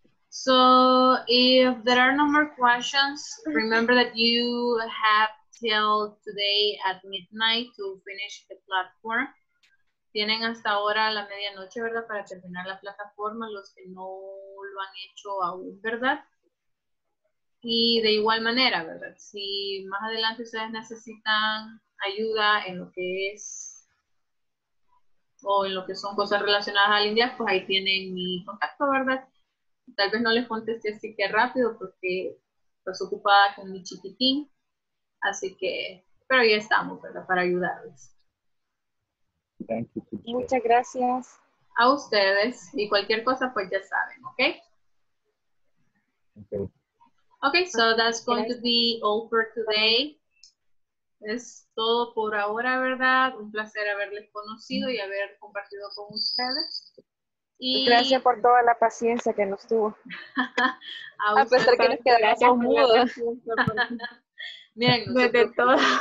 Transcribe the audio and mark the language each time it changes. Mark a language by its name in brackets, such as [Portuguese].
[English] So if there are no more questions, remember that you have till today at midnight to finish the platform. [Spanish] Tienen hasta ahora la medianoche, ¿verdad?, para terminar la plataforma, los que no lo han hecho aún, ¿verdad? Y de igual manera, ¿verdad?, si más adelante ustedes necesitan ayuda en lo que es o en lo que son cosas relacionadas al inglés, pues ahí tienen mi contacto, ¿verdad? Tal vez no les conteste así que rápido porque estoy ocupada con mi chiquitín, así que, pero ya estamos, ¿verdad?, para ayudarles. [English] Thank you, teacher. [Spanish] Muchas gracias. A ustedes, y cualquier cosa, pues ya saben, ¿ok? Ok. [English] Ok, so that's going to be all for today. [Spanish] Es todo por ahora, ¿verdad? Un placer haberles conocido y haber compartido con ustedes. Y gracias por toda la paciencia que nos tuvo. A pesar que nos quedamos mudos. Miren, no de todo.